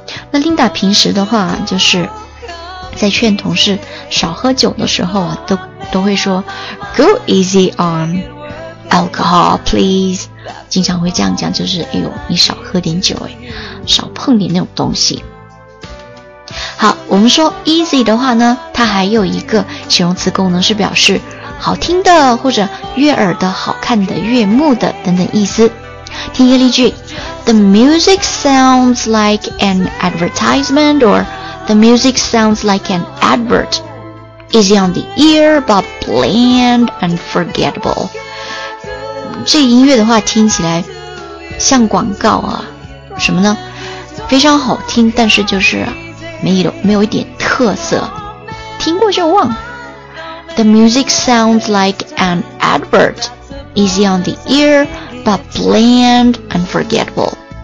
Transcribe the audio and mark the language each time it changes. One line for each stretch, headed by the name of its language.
Chinese: 那 Linda 平时的话就是在劝同事少喝酒的时候啊，都会说
English: Go easy on alcohol please，
Chinese: 经常会这样讲，就是哎呦你少喝点酒，哎，少碰点那种东西。好，我们说 easy 的话呢，它还有一个形容词功能，是表示好听的或者悦耳的、好看的、悦目的等等意思。听一个例句，
English: The music sounds like an advertisement or the music sounds like an advert. Easy on the ear but bland and forgettable.
Chinese: 这音乐的话听起来像广告啊，什么呢？非常好听，但是就是没有一点特色，听过就忘。
English: The music sounds like an advert, easy on the ear, but bland and forgettable.